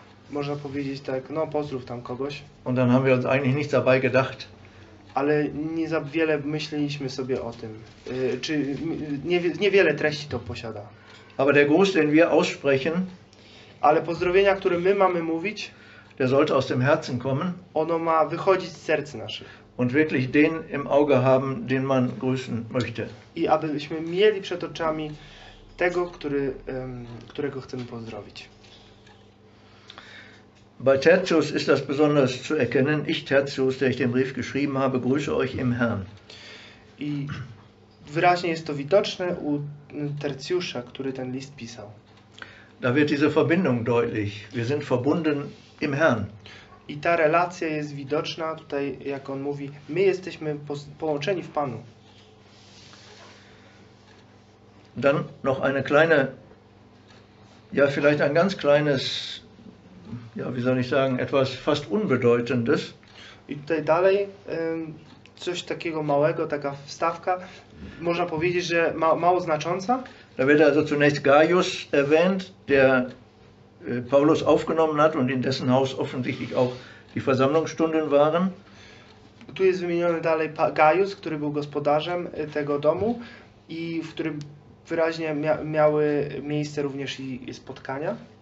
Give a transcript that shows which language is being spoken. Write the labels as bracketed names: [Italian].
[Polish] Można powiedzieć tak, no pozdrów tam kogoś. [German] Und dann haben wir uns eigentlich nichts dabei gedacht. [Polish] Ale nie za wiele myśleliśmy sobie o tym. Czy niewiele treści to posiada. [German] Aber der Gruß, den wir aussprechen, [Polish] ale pozdrowienia, które my mamy mówić, [German] der sollte aus dem Herzen kommen. [Polish] Ono ma wychodzić z serc naszych. [German] Und wirklich den im Auge haben, den man grüßen möchte. [Polish] I abyśmy mieli przed oczami tego, którego chcemy pozdrowić. [German] Bei Tertius ist das besonders zu erkennen. Ich, Tertius, der ich den Brief geschrieben habe, grüße euch im Herrn. [Polish] I wyraźnie jest to widoczne u Tertiusza, który ten list pisał. [German] Da wird diese Verbindung deutlich. Wir sind verbunden im Herrn. [Polish] I ta relacja jest widoczna tutaj, jak on mówi, my jesteśmy połączeni w Panu. [German] Dann noch eine kleine, ja vielleicht ein ganz kleines, ja wie soll ich sagen, etwas fast Unbedeutendes. [Polish] I tutaj dalej coś takiego małego, taka wstawka, można powiedzieć, że mało znacząca. [German] Da wird also zunächst Gaius erwähnt, der Paulus aufgenommen hat und in dessen Haus offensichtlich auch die Versammlungsstunden waren. [Polish] Tu jest wymieniony dalej Gaius, który był gospodarzem tego domu i w którym wyraźnie miały miejsce również i spotkania.